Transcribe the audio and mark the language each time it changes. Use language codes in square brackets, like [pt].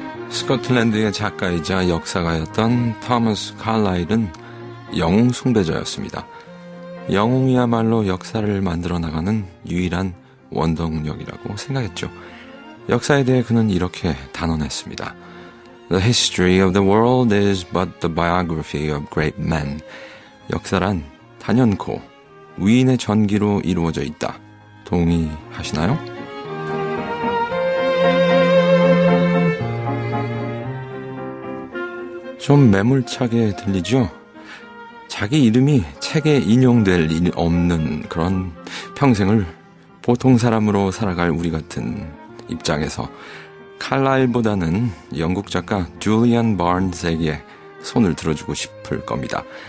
[ko] 스코틀랜드의 작가이자 역사가였던 토마스 칼라일은 영웅 숭배자였습니다. 영웅이야말로 역사를 만들어 나가는 유일한 원동력이라고 생각했죠. 역사에 대해 그는 이렇게 단언했습니다. [en] The history of the world is but the biography of great men. [ko] 역사란 단연코 위인의 전기로 이루어져 있다. 동의하시나요? 좀 매몰차게 들리죠? 자기 이름이 책에 인용될 일 없는 그런 평생을 보통 사람으로 살아갈 우리 같은 입장에서 칼라일보다는 영국 작가 줄리안 바른스에게 손을 들어주고 싶을 겁니다.